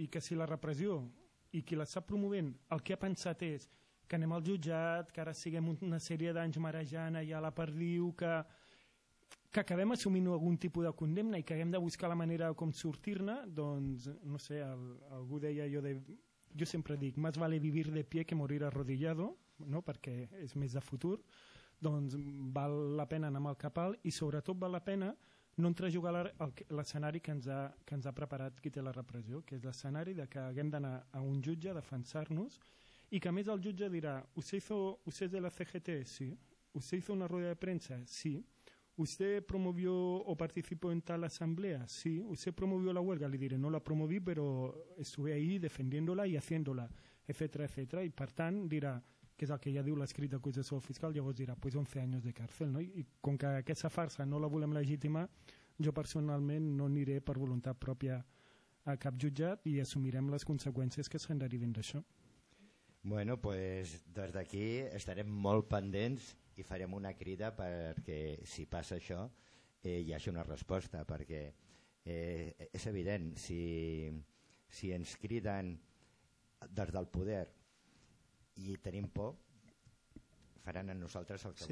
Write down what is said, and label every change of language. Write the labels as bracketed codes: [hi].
[ca] I que si la repressió i qui l'està promovent el que ha pensat és que anem al jutjat, que ara siguem una sèrie d'anys marejant allà a la perdiu, que acabem assumint algun tipus de condemna i que haguem de buscar la manera com sortir-ne, doncs, no sé, algú deia allò de... Jo sempre dic, [es] más vale vivir de pie que morir arrodillado, no? [ca] Perquè és més de futur, doncs val la pena anar amb el cap alt i sobretot val la pena no entrejugar l'escenari que ens ha preparat qui té la repressió, que és l'escenari de que haguem d'anar a un jutge a defensar-nos i que a més el jutge dirà, [es] ¿usted es de la CGT? Sí. ¿Usted hizo una rueda de prensa? Sí. ¿Usted promovió o participó en tal asamblea? Sí. ¿Usted promovió la huelga? [ca] Li diré, [es] no la promoví, pero estuve ahí defendiéndola y haciéndola, etcétera, etcétera. [ca] Y per tant dirà, que és el que ja diu l'escrit d'acusació fiscal, llavors dirà, pues 11 anys de càrcel, no? I com que aquesta farsa no la volem legítima, jo personalment no aniré per voluntat pròpia a cap jutjat i assumirem les conseqüències que se'n deriven d'això. Bueno, pues des d'aquí estarem molt pendents i farem una crida perquè si passa això hi hagi una resposta, perquè és evident, si ens criden des del poder i tenim por, faran a nosaltres el que